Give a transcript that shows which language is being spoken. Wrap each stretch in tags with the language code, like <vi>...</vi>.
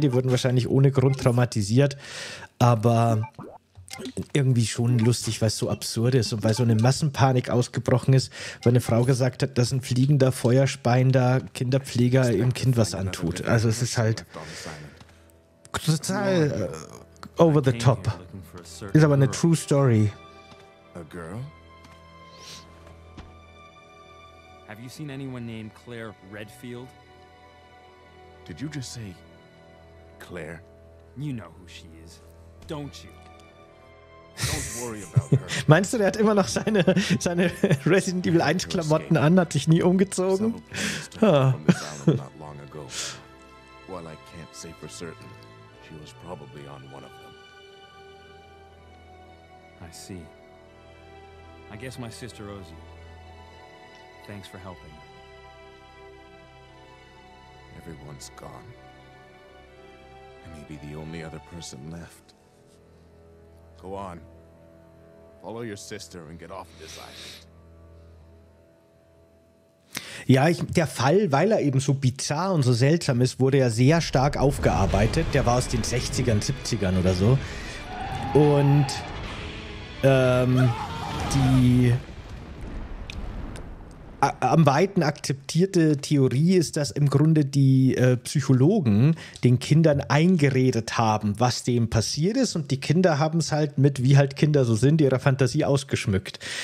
<de>Die wurden wahrscheinlich ohne Grund traumatisiert. Aber irgendwie schon lustig, weil es so absurd ist und weil so eine Massenpanik ausgebrochen ist, weil eine Frau gesagt hat, dass ein fliegender, feuerspeiender Kinderpfleger ihrem Kind was antut. Also es ist halt total</de> <en>over the top.</en> <de>Ist aber eine</de> <en>true story. A girl? Have you seen anyone named Claire Redfield? Did you just say Claire? You know who she is, don't you? Don't worry about her.</en> <de>Meinst du, der hat immer noch seine Resident Evil 1 Klamotten an, hat sich nie umgezogen?</de> <en>Not long ago. While I can't say for certain, she was probably on one of them. I see. I guess my sister owes you. Thanks for helping. Everyone's gone. I may be the only other person left. Go on. Follow your sister and get off this island.</en> <de>Ja, der Fall, weil er eben so bizarr und so seltsam ist, wurde ja sehr stark aufgearbeitet. Der war aus den 60ern, 70ern oder so. Und am weiten akzeptierte Theorie ist, dass im Grunde die Psychologen den Kindern eingeredet haben, was dem passiert ist, und die Kinder haben es halt mit, wie halt Kinder so sind, ihrer Fantasie ausgeschmückt.</de>